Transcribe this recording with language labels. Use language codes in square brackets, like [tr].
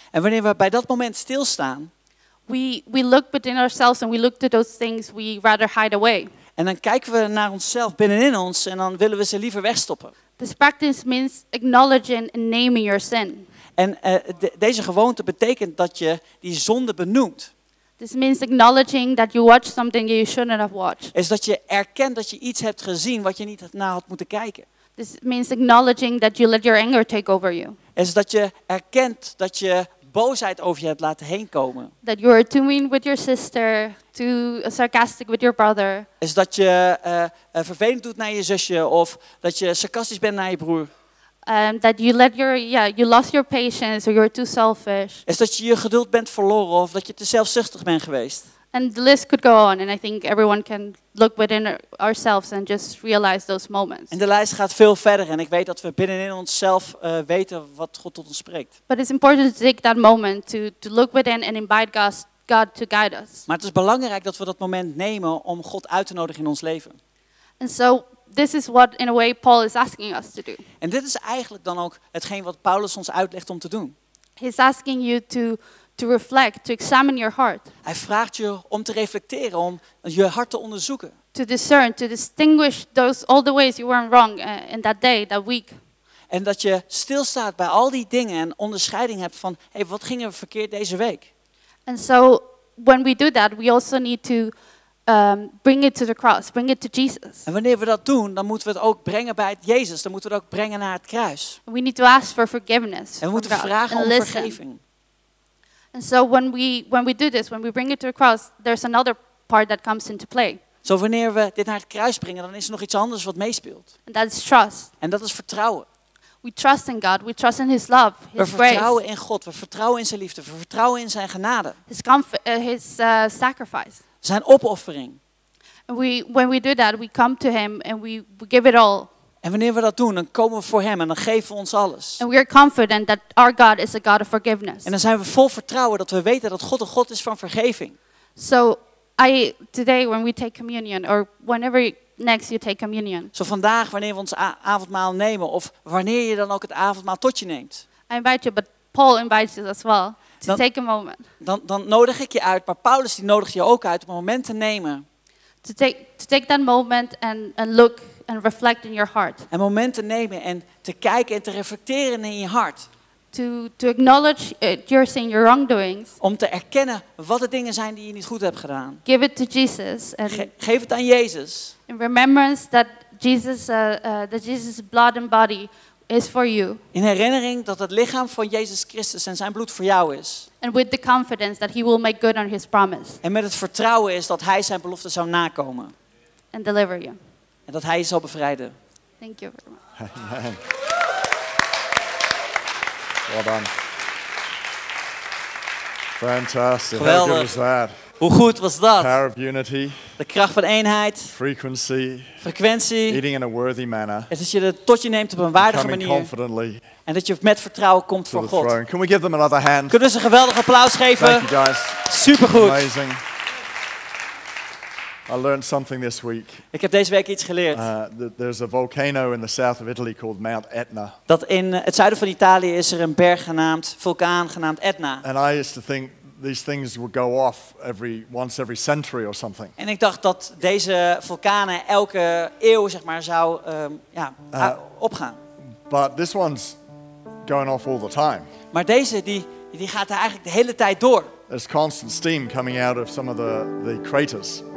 [nl] En wanneer we bij dat moment stilstaan. [en] We look within ourselves and we look to those things we rather hide away. [nl] En dan kijken we naar onszelf binnenin ons en dan willen we ze liever wegstoppen. [en] This practice means acknowledging and naming your sin. [nl] En deze gewoonte betekent dat je die zonde benoemt. [en] This means acknowledging that you watched something you shouldn't have watched. [nl] Is dat je erkent dat je iets hebt gezien wat je niet naar had moeten kijken. [en] This means acknowledging that you let your anger take over you. [nl] Is dat je erkent dat je boosheid over je hebt laten heen komen. [en] That you are too mean with your sister, too sarcastic with your brother. [nl] Is dat je vervelend doet naar je zusje of dat je sarcastisch bent naar je broer. [en] That you let your you lost your patience or you're too selfish. [nl] Is dat je je geduld bent verloren of dat je te zelfzuchtig bent geweest. [en] And the list could go on, and I think everyone can look within ourselves and just realize those moments. [nl] En de lijst gaat veel verder, en ik weet dat we binnenin onszelf weten wat God tot ons spreekt. [en] But it's important to take that moment to look within and invite God to guide us. [nl] Maar het is belangrijk dat we dat moment nemen om God uit te nodigen in ons leven. [en] And so this is what, in a way, Paul is asking us to do. [nl] En dit is eigenlijk dan ook hetgeen wat Paulus ons uitlegt om te doen. [en] He's asking you to reflect, to examine your heart. [nl] Hij vraagt je om te reflecteren, om je hart te onderzoeken. [en] To discern, to distinguish those all the ways you weren't wrong in that day, that week. [nl] En dat je stilstaat bij al die dingen en onderscheiding hebt van, hey, wat ging er verkeerd deze week? [en] And so when we do that, we also need to bring it to the cross, bring it to Jesus. [nl] En wanneer we dat doen, dan moeten we het ook brengen bij het Jezus. Dan moeten we het ook brengen naar het kruis. [en] We need to ask for forgiveness. [nl] En we moeten vragen om vergeving. [en] And so when we do this, when we bring it to the cross, there's another part that comes into play. [nl] Zo wanneer we dit naar het kruis brengen, dan is er nog iets anders wat meespeelt. [en] And that is trust. [nl] En dat is vertrouwen. [en] We trust in God. We trust in His love, His grace. [nl] We vertrouwen in God. We vertrouwen in zijn liefde. We vertrouwen in zijn genade. [en] His sacrifice. [nl] Zijn opoffering. [en] And when we do that, we come to Him and we give it all. [nl] En wanneer we dat doen, dan komen we voor Hem en dan geven we ons alles. [en] And we are confident that our God is a God of forgiveness. [nl] En dan zijn we vol vertrouwen dat we weten dat God een God is van vergeving. [en] So today when we take communion or whenever next you take communion. [nl] Zo vandaag wanneer we ons avondmaal nemen of wanneer je dan ook het avondmaal tot je neemt. [en] I invite you, but Paul invites you as well to dan, take a moment. [nl] Dan nodig ik je uit, maar Paulus die nodigt je ook uit om een moment te nemen. [en] To take that moment and look. And reflect in your heart. [nl] En momenten nemen en te kijken en te reflecteren in je hart. [en] To acknowledge your sin, your wrongdoings. [nl] Om te erkennen wat de dingen zijn die je niet goed hebt gedaan. [en] Give it to Jesus. And [nl] geef het aan Jezus. [en] In remembrance that Jesus' blood and body is for you. [nl] In herinnering dat het lichaam van Jezus Christus en zijn bloed voor jou is. [en] And with the confidence that He will make good on His promise. [nl] En met het vertrouwen is dat Hij zijn belofte zou nakomen. [en] And deliver you. [nl] En dat Hij je zal bevrijden. [en] Thank you very much. Well done. Fantastic. [nl] Geweldig. [en] How good was that? [nl] Hoe goed was dat? [en] Power of unity. [nl] De kracht van eenheid. [en] Frequency. [nl] Frequentie. [en] Eating in a worthy manner. [nl] Het is je dat tot je neemt op een waardige manier. [en] Confidently. [nl] En dat je met vertrouwen komt voor God. [en] Throne. Can we give them another hand? [nl] Kunnen we ze een geweldig applaus geven? [en] Thank you guys. [nl] Supergoed. [en] Amazing. I learned something this week. [nl] Ik heb deze week iets geleerd. [en] There's a volcano in the south of Italy called Mount Etna. [nl] Dat in het zuiden van Italië is er een berg genaamd vulkaan genaamd Etna. [en] And I used to think these things would go off once every century or something. [nl] En ik dacht dat deze vulkanen elke eeuw zeg maar zou opgaan. [en] But this one's going off all the time. [nl] Maar deze die gaat er eigenlijk de hele tijd door. [en] There's constant steam coming out of some of the craters.